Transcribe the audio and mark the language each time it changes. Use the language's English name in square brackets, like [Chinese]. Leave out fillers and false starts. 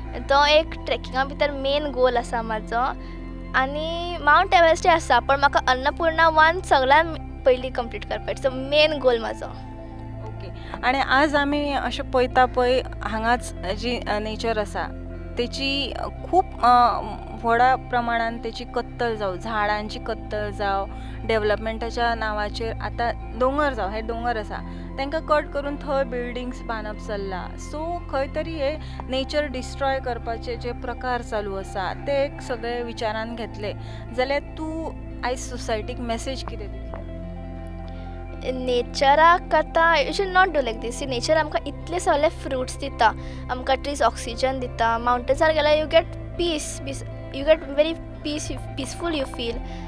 [Konkani] तो एक ट्रॅकिंगा भितर मेन गोल आसा म्हाजो. आनी मावंट एव्हरेस्टूय आसा पण म्हाका अन्नपूर्णा 1 सगळ्यांत पयलीं कंप्लीट करपाक जाय. सो मेन गोल म्हाजो. आणि आज आम्ही असं पळता पळय हांगाच जी नेचर असा त्याची खूप वडा प्रमाणात त्याची कत्तल जाव, झाडांची कत्तल जाव, डेव्हलपमेंटाच्या नावाचेर आता डोंगर जाव, हे डोंगर असा त्यांना कट करून थंय बिल्डिंग्स बांधप चालला. सो खंय तरी हे नेचर डिस्ट्रॉय करपाचे जे प्रकार चालू असा ते एक सगळे विचारांत घेतले जाल्यार तू आयज सोसायटीक मेसेज कितें दिली? नेचराक आतां [English] You should not do like this. See nature [Konkani] आमकां इतले सगळे फ्रुट्स दिता, आमकां ट्रीज ऑक्सिजन दिता, मावंटेन्सार गेल्यार [English] You get peace, you get very peace, peaceful you feel.